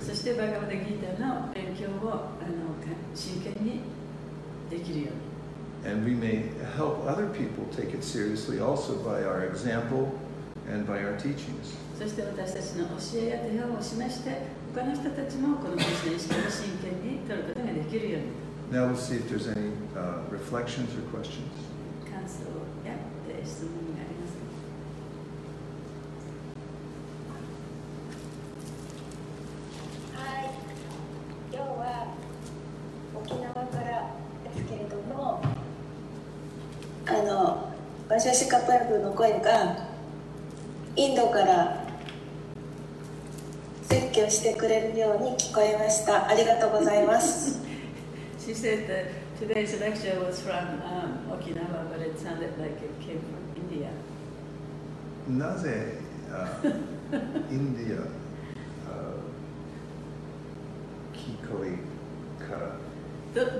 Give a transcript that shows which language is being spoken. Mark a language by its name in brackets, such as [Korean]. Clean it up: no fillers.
[Japanese] そしてバガヴァギータの勉強を真剣にできるように。 [English] And we may help other people take it seriously also by our example and by our teachings. [Japanese] そして私たちの教えや手本を示して他の人たちもこのクリシュナ意識を真剣に取ることができるように。 [English] Now we'll see if there's any reflections or questions. [Japanese] 感想や質問がありますか。はい。今日は沖縄からですけれども、場所しかプラグの声がインドから説教してくれるように聞こえました。ありがとうございます。 [English] She said that today's lecture was from Okinawa, but it sounded like it came from India. [Japanese] なぜ、インディア、聞こえから